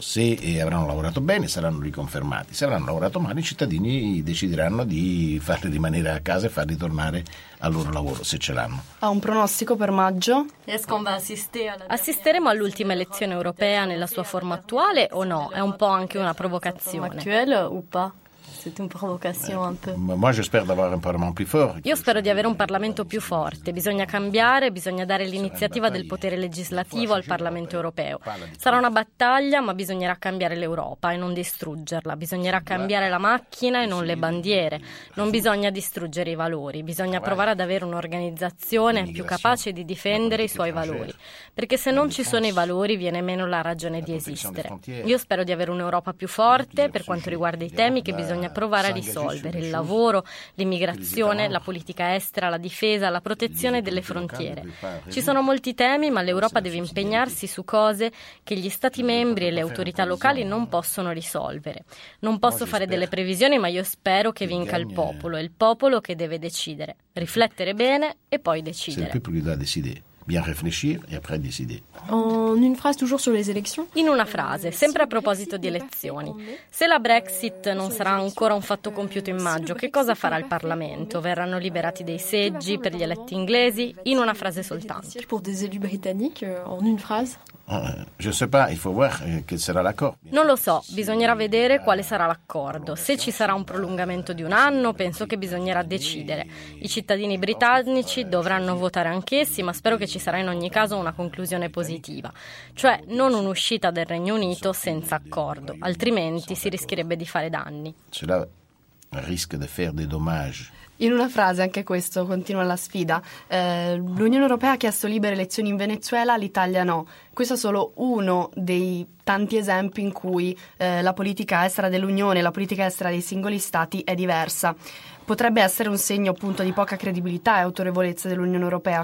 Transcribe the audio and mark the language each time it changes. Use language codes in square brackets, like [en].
[it] Se avranno lavorato bene saranno riconfermati, se avranno lavorato male i cittadini decideranno di farli rimanere a casa e farli tornare al loro lavoro, se ce l'hanno. Ha un pronostico per maggio? Assisteremo all'ultima elezione europea nella sua forma attuale o no? È un po' anche una provocazione. [fr] Moi, j'espère d'avoir un Parlement plus fort. [it] Io spero di avere un Parlamento più forte. Bisogna cambiare, bisogna dare l'iniziativa del potere legislativo al Parlamento europeo. Sarà una battaglia, ma bisognerà cambiare l'Europa e non distruggerla. Bisognerà cambiare la macchina e non le bandiere. Non bisogna distruggere i valori. Bisogna provare ad avere un'organizzazione più capace di difendere i suoi valori. Perché se non ci sono i valori, viene meno la ragione di esistere. Io spero di avere un'Europa più forte per quanto riguarda i temi che bisogna provare a risolvere: il lavoro, l'immigrazione, la politica estera, la difesa, la protezione delle frontiere. Ci sono molti temi, ma l'Europa deve impegnarsi su cose che gli Stati membri e le autorità locali non possono risolvere. Non posso fare delle previsioni, ma io spero che vinca il popolo. È il popolo che deve decidere. Riflettere bene e poi decidere. [fr] Bien réfléchir et après décider. En une phrase toujours sur les élections. [it] In una frase, sempre a proposito di elezioni. Se la Brexit non sarà ancora un fatto compiuto in maggio, che cosa farà il Parlamento? Verranno liberati dei seggi per gli eletti inglesi? In una frase soltanto. [fr] Pour des élus britanniques en une phrase. Je sais pas, il faut voir quel sera l'accord. [it] Non lo so, bisognerà vedere quale sarà l'accordo. Se ci sarà un prolungamento di un anno, penso che bisognerà decidere. I cittadini britannici dovranno votare anch'essi, ma spero che ci sarà in ogni caso una conclusione positiva. Cioè, non un'uscita del Regno Unito senza accordo, altrimenti si rischierebbe di fare danni. [fr] risque de faire des dommages. [it] In una frase, anche questo, continua la sfida. L'Unione Europea ha chiesto libere elezioni in Venezuela, l'Italia no. Questo è solo uno dei tanti esempi in cui la politica estera dell'Unione e la politica estera dei singoli stati è diversa. Potrebbe essere un segno appunto di poca credibilità e autorevolezza dell'Unione Europea.